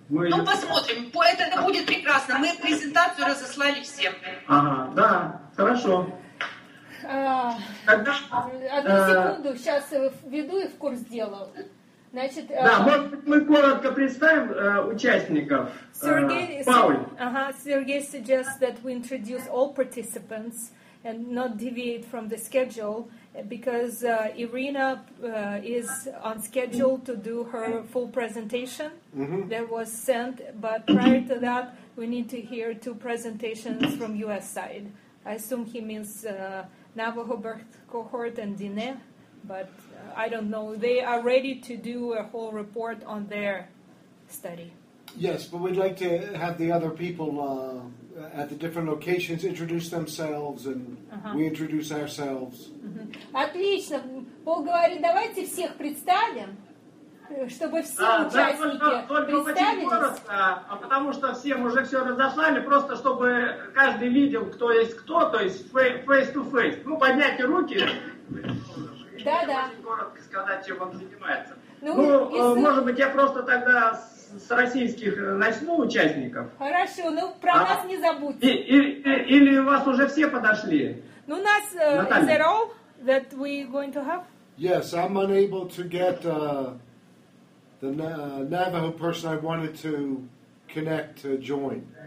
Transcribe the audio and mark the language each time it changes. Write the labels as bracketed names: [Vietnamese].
[Russian] Посмотрим. Это будет прекрасно. Мы презентацию разослали всем. Ага, да, хорошо. Одну секунду, сейчас введу их в курс дела. Значит, да, может быть, мы коротко представим участников. [English] Сергей suggests that we introduce all participants and not deviate from the schedule, because Irina is on schedule to do her full presentation that was sent, but prior to that, we need to hear two presentations from U.S. side. I assume he means... Navajo birth cohort and Diné, but I don't know. They are ready to do a whole report on their study. Yes, but we'd like to have the other people at the different locations introduce themselves, and we introduce ourselves. [Russian] Отлично. Бог говорит, давайте всех представим, чтобы все участники представились. Только очень коротко, потому что всем уже все разослали, просто чтобы каждый видел, кто есть кто, то есть [English] face-to-face. [Russian] Ну, поднять руки. Да-да. Очень коротко сказать, чем он занимается. Может быть, я просто тогда с российских начну участников. Хорошо, ну про нас не забудьте. Или у вас уже все подошли? Ну, нас, [English] is it all that we're going to have? Yes, I'm unable to get... The Navajo person I wanted to connect to join.